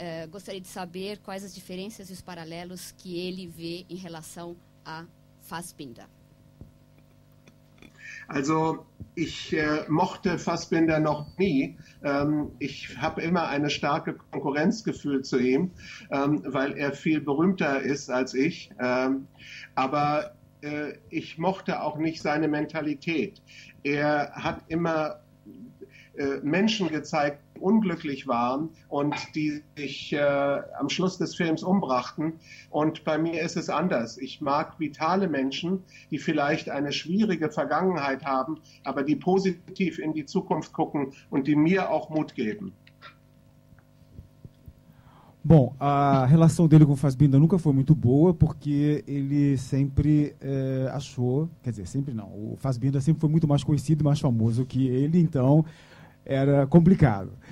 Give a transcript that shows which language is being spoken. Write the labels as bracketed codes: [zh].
[pt] Gostaria de saber quais as diferenças e os paralelos que ele vê em relação a Fassbinder. [de] Also, ich mochte Fassbinder noch nie. Ich habe immer eine starke Konkurrenzgefühl zu ihm, weil er viel berühmter ist als ich. Aber ich mochte auch nicht seine Mentalität. Er hat immer Menschen gezeigt, die unglücklich waren und die sich am Schluss des Films umbrachten. Und bei mir ist es anders. Ich mag vitale Menschen, die vielleicht eine schwierige Vergangenheit haben, aber die positiv in die Zukunft gucken und die mir auch Mut geben. [pt] Bom, a relação dele com o Fassbinder nunca foi muito boa, porque ele sempre achou, quer dizer, sempre não, o Fassbinder sempre foi muito mais conhecido e mais famoso que ele, então era complicado.